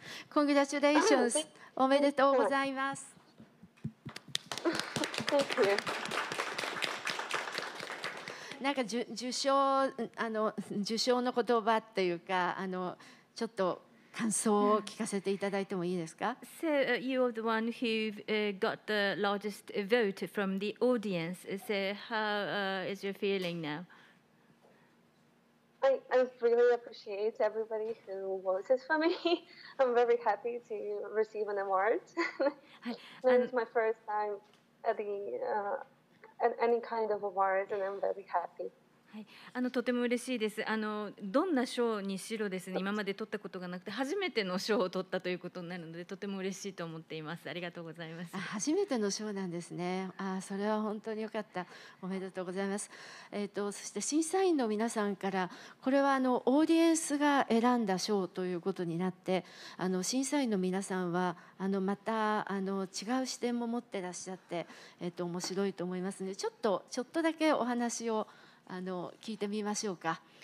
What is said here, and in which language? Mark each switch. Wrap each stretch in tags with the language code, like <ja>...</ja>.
<en>Congratulations.</en> <ja>おめでとうございます。</ja> <en>Thank you.</en> <ja>なんか受賞の言葉っていうか、ちょっと感想を聞かせていただいてもいいですか。</ja> <en>So, you are the one who got the largest vote from the audience. So, how is your feeling now? I really appreciate everybody who voted for me. I'm very happy to receive an award. It's my first time at at any kind of award, and I'm very happy.</en> <ja>とても嬉しいです。どんな賞にしろですね、今まで取ったことがなくて初めての賞を取ったということになるのでとても嬉しいと思っています。ありがとうございます。初めての賞なんですね。それは本当に良かった。おめでとうございます。そして審査員の皆さんからこれはオーディエンスが選んだ賞ということになって、審査員の皆さんはまた違う視点も持ってらっしゃって、面白いと思いますので、ちょっとだけお話を聞いてみましょうか。</ja>